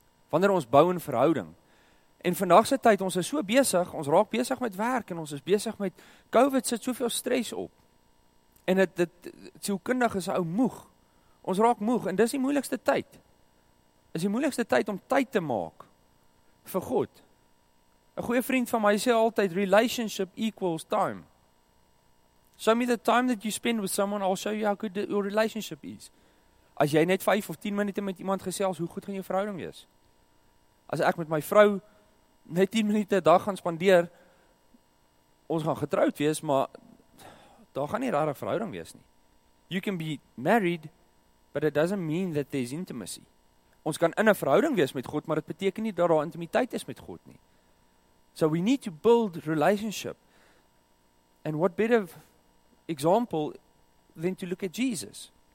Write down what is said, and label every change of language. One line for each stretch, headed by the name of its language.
Afrikaans: Wanneer ons bou in verhouding. En vandag se tyd, ons is so besig, ons raak besig met werk en ons is besig met COVID sit soveel stres op. En dit sielkundig is ou moeg. Ons raak moeg en dis die moeilikste tyd. Is die moeilikste tyd om tyd te maak vir God. 'N goeie vriend van my sê altyd,
English: relationship equals time. Show me the time that you spend with someone, I'll show you how good your relationship is.
Afrikaans: As jy net 5 of 10 minute met iemand gesels, hoe goed gaan jou verhouding wees? As ek met my vrou net 10 minute 'n dag gaan spandeer, ons gaan getroud wees, maar daar gaan nie rare verhouding wees nie.
English: You can be married, but it doesn't mean that there's intimacy.
Afrikaans: Ons kan in 'n verhouding wees met God, maar dit beteken nie dat daar intimiteit is met God nie.
English: So we need to build relationship. And what better example than to look at Jesus?